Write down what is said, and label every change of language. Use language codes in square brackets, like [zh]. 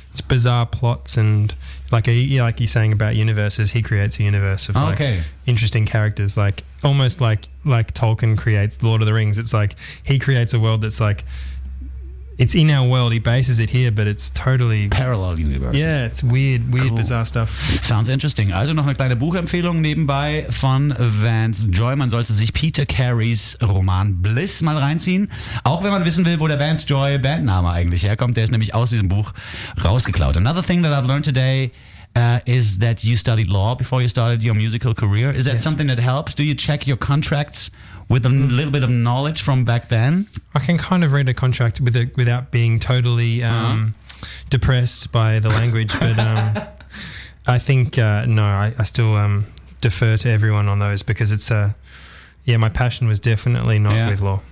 [en] It's bizarre plots and like you're saying about universes, he creates a universe of interesting characters, like almost like Tolkien creates Lord of the Rings. It's like he creates a world that's like, it's in our world. He bases it here, but it's totally... Parallel universe. Yeah, it's weird, cool, bizarre stuff. Sounds interesting. [de] Also noch eine kleine Buchempfehlung nebenbei von Vance Joy. Man sollte sich Peter Careys Roman Bliss mal reinziehen. Auch wenn man wissen will, wo der Vance Joy Bandname eigentlich herkommt. Der ist nämlich aus diesem Buch rausgeklaut. [en] Another thing that I've learned today is that you studied law before you started your musical career. Is that something that helps? Do you check your contracts with a little bit of knowledge from back then? I can kind of read a contract without being totally depressed by the language, but I think, I still defer to everyone on those because it's my passion was definitely not with law.